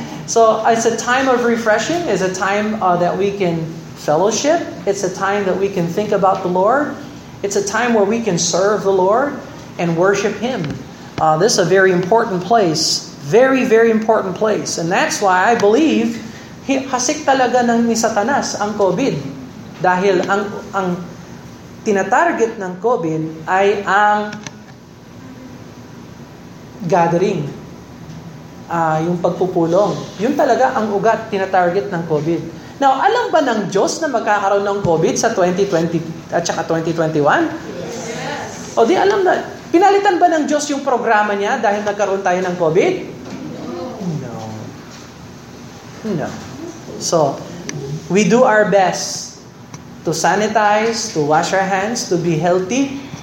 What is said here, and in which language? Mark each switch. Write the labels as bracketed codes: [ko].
[en] So, it's a time of refreshing. It's a time that we can fellowship. It's a time that we can think about the Lord. It's a time where we can serve the Lord and worship Him. This is a very important place. Very, very important place. And that's why I believe [tl] hasik talaga ng ni Satanas ang COVID. Dahil ang tinatarget ng COVID ay ang gathering. Yung pagpupulong. Yun talaga ang ugat tinatarget ng COVID. Now, alam ba ng Diyos na magkakaroon ng COVID sa 2020 at saka 2021? Yes. O di alam na. Pinalitan ba ng Diyos yung programa niya dahil nagkaroon tayo ng COVID? [en] No. So, we do our best to sanitize, to wash our hands, to be healthy.